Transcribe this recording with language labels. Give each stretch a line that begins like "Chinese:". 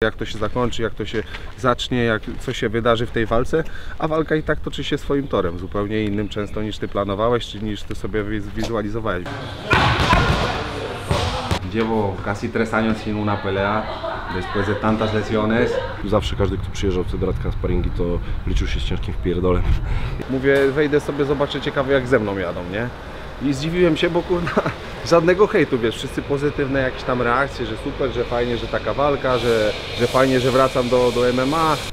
Polish: jak to się zakończy, jak to się zacznie, jak, co się wydarzy w tej walce, a walka i tak toczy się swoim torem, zupełnie innym często niż ty planowałeś, czy niż ty sobie wizualizowałeś.
Spanish: Llevo casi 3 años sin una pelea, después de tantas lesiones.
Polish: Zawsze każdy, kto przyjeżdżał w Cedratka sparingi, to liczył się z ciężkim wpierdolem. Mówię, wejdę sobie, zobaczę, ciekawe jak ze mną jadą, nie? I zdziwiłem się, bo kurna, żadnego hejtu, wiesz, wszyscy pozytywne jakieś tam reakcje, że super, że fajnie, że taka walka, że fajnie, że wracam do MMA.